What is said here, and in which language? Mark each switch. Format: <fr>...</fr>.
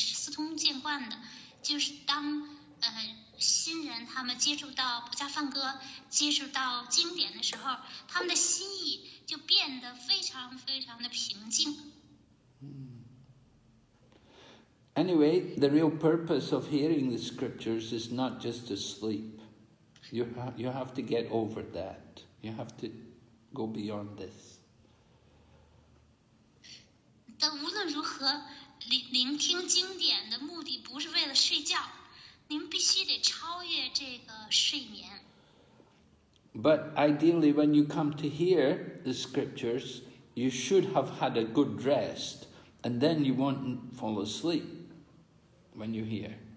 <zh>Mm, 新人他们接触到菩萨梵歌，接触到经典的时候，他们的心意就变得非常非常的平静。Anyway,</zh> <en>the real purpose of hearing the scriptures is not just to sleep. You have to get over that. You have to go beyond this.</en> <zh>但无论如何，聆听经典的目的不是为了睡觉。</zh> <en>But ideally, when you come to hear the scriptures, you should have had a good rest, and then you won't fall asleep when you hear.</en>